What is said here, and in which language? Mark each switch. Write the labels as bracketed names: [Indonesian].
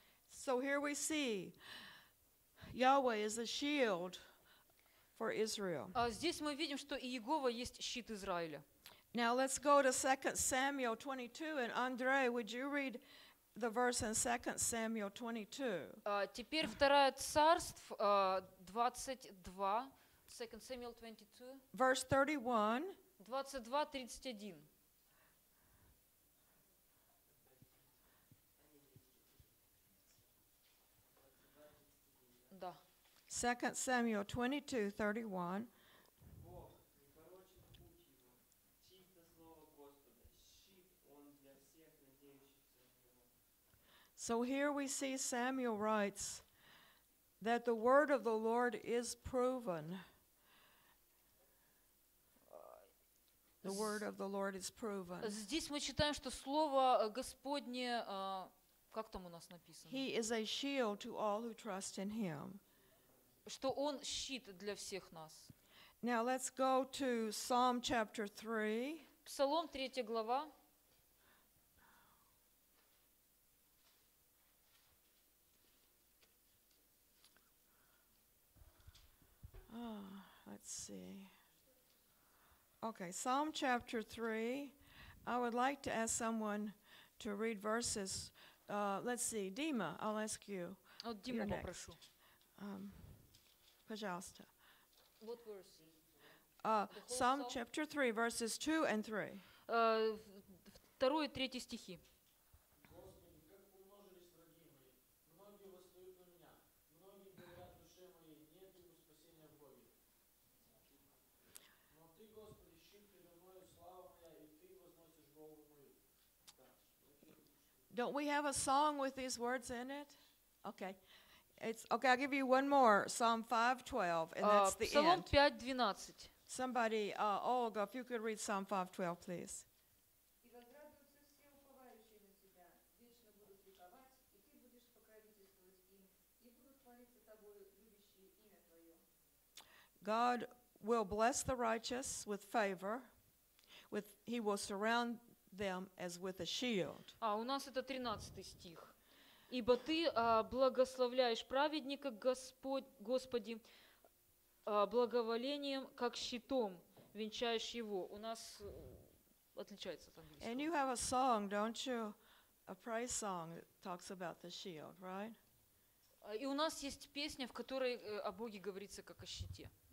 [English] So here we see Yahweh is a shield for Israel. [Russian] Здесь мы видим, что Иегова есть щит Израиля. [English] Now let's go to 2 Samuel 22. And Andre, would you read the verse in 2 Samuel 22? [Russian] Теперь Второе царство 22. [English] 2 Samuel 22. Verse 31. 22:31. Second Samuel 22:31. So here we see Samuel writes that the word of the Lord is proven. The word of the Lord is proven. [Russian] Здесь мы читаем, что слово Господне, как там у нас написано? [English] He is a shield to all who trust in him. [Russian] Что он щит для всех нас. [English] Now let's go to Psalm chapter 3. [Russian] Псалом 3 глава. [English] Let's see. Okay, Psalm chapter 3. I would like to ask someone to read verses. Let's see, Dima, I'll ask you. [Russian] Вот Диму попрошу. Пожалуйста. [English] What verse? Psalm chapter 3, verses 2 and 3. [Russian] Второй и третий стихи. Господи, как умножились враги мои. Многие восстают на меня. Многие говорят в душе моей, нет ему спасения в Боге. Но ты, Господи, щит предо мною, слава моя, и ты возносишь голову мою. [English] Don't we have a song with these words in it? Okay. It's okay, I'll give you one more, Psalm 5:12, and that's the end. [Russian] Псалом 5:12. [English] Somebody, Olga, if you could read Psalm 5:12, please. [Russian] И возрадуются все уповающие на тебя, вечно будут ликовать [English] God will bless the righteous with favor. With, he will surround them as with a shield. [Russian] А у нас это 13 стих. Ибо ты благословляешь праведника Господи благоволением, как щитом венчаешь его. У нас отличается от английского. [English] And you have a song, don't you? A praise song that talks about the shield, right? [Russian] И у нас есть песня, в которой о Боге говорится как о щите.